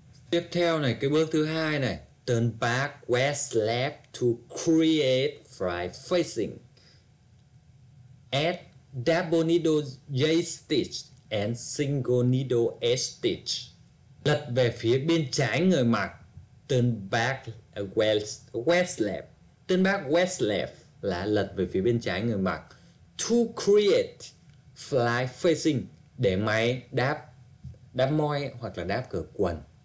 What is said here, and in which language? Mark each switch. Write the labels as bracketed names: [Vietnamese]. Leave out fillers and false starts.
[Vietnamese] Tiếp theo này, cái bước thứ hai này, [English] turn back west left to create fly facing. Add double needle J stitch and single needle S stitch. [Vietnamese] Lật về phía bên trái người mặc. [English] Turn back west left [Vietnamese] là lật về phía bên trái người mặc. [English] To create fly facing, [Vietnamese] để máy đáp đáp moi hoặc là đáp cửa quần.